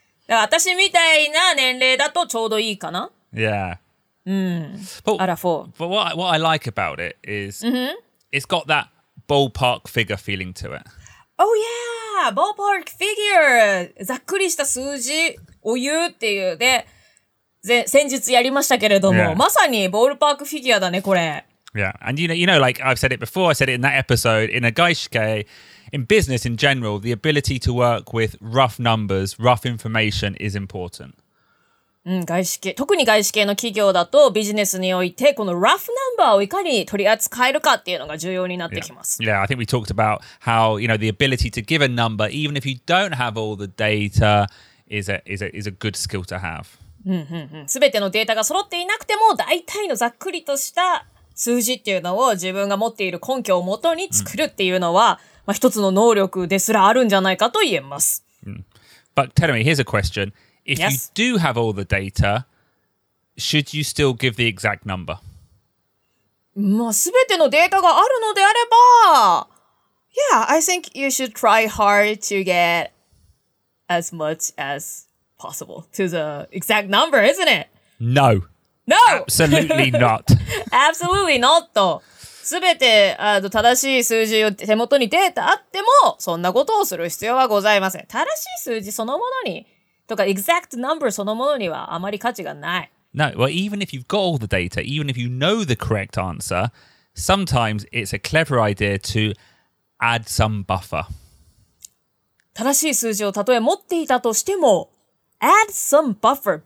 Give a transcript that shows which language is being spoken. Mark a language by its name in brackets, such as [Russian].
[Japanese] だから私みたいな年齢だとちょうどいいかな? [English] Yeah. But, out of four. But what I like about it is it's got that ballpark figure feeling to it. Oh, yeah. Ballpark figure. [Japanese] ざっくりした数字を言うっていうで先日やりましたけれども、まさにボールパークフィギュアだね、これ。 [English] Yeah, and you know, like I've said it before, I said it in that episode, in a gaishike, in business in general, the ability to work with rough numbers, rough information is important. [Japanese] うん、外資系、特に外資系の企業だとビジネスにおいて、この rough number をいかに取り扱えるかっていうのが重要になってきます。 [English] Yeah, I think we talked about how, you know, the ability to give a number, even if you don't have all the data, is a good skill to have. [Japanese] すべてのデータが揃っていなくても大体のざっくりとした数字っていうのを自分が持っている根拠をもとに作るっていうのは、一つの能力ですらあるんじゃないかと言えます。 [English] But tell me, here's a question. If you do have all the data, should you still give the exact number? [Japanese] まあ、すべてのデータがあるのであれば、 [English] Yeah, I think you should try hard to get as much as... possible to the exact number, isn't it? No. No! Absolutely not. Absolutely not. [Japanese] 全て正しい数字を手元に出たあっても、そんなことをする必要はございません。正しい数字そのものに、とか exact number そのものにはあまり価値がない。 [English] No, well, even if you've got all the data, even if you know the correct answer, sometimes it's a clever idea to add some buffer. [Japanese] 正しい数字をたとえ持っていたとしても、 [English] Add some buffer.